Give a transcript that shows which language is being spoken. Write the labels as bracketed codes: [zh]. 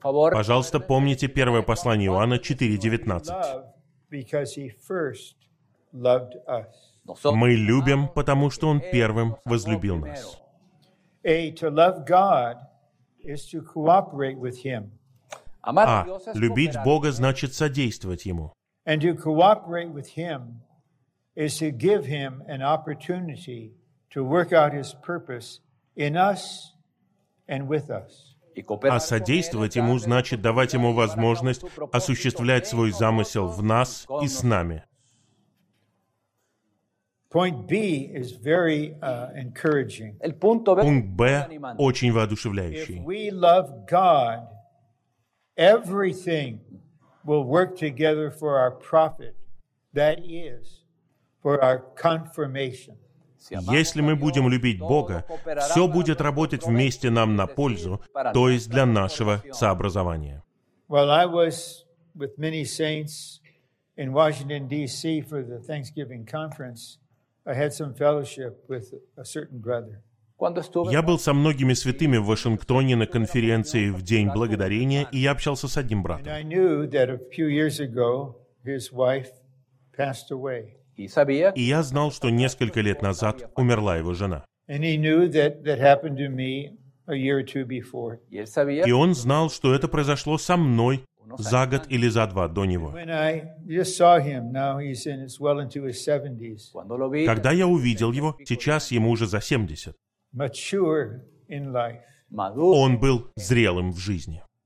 [ru] Пожалуйста, помните первое послание Иоанна 4:19. Мы любим, потому что Он первым возлюбил нас. [en] A to love God is to cooperate with Him. [ru] А любить Бога значит содействовать Ему. [en] And to cooperate with Him is to give Him an opportunity to work out His purpose in us and with us. [ru] А содействовать Ему значит давать Ему возможность осуществлять свой замысел в нас и с нами. [en] Point B is very encouraging. [ru] Пункт Б очень воодушевляющий. [en] If we love God, everything will work together for our profit. That is, for our confirmation. [ru] Если мы будем любить Бога, все будет работать вместе нам на пользу, то есть для нашего сообразования. [en] While I was with many saints in Washington D.C. for the Thanksgiving conference. I had some fellowship with a certain brother. [ru] Я был со многими святыми в Вашингтоне на конференции в День Благодарения, и я общался с одним братом. [en] And I knew that a few years ago his wife passed away. [ru] И я знал, что несколько лет назад умерла его жена. [en] And he knew that that happened to me a year or two before. [ru] И он знал, что это произошло со мной за год или за два до него. Когда я увидел его, сейчас ему уже за 70. Он был зрелым в жизни.